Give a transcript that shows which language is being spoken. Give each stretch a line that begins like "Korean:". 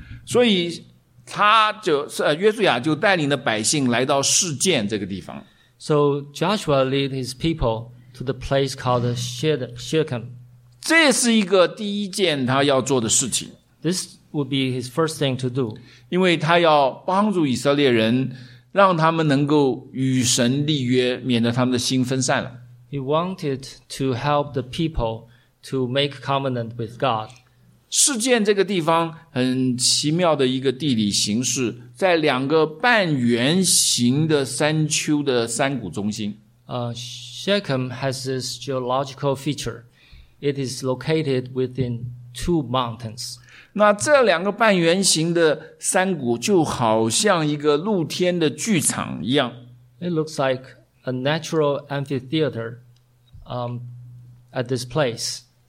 Chinese: 所以他就约书亚就带领的百姓来到示剑这个地方。
English: So Joshua led his people to the place called Shechem.
Chinese: 这是一个第一件他要做的事情。
English: This would be his first thing to do.
Chinese: 因为他要帮助以色列人让他们能够与神立约免得他们的心分散了。
English: He wanted to help the people to make covenant with God.
Chinese: 示剑这个地方很奇妙的一个地理形式在两个半圆形的山丘的山谷中心。
English: Shechem has this geological feature. It is located within two mountains.
Chinese: 那这两个半圆形的山谷就好像一个露天的剧场一样。
English: It looks like a natural amphitheater, at this place.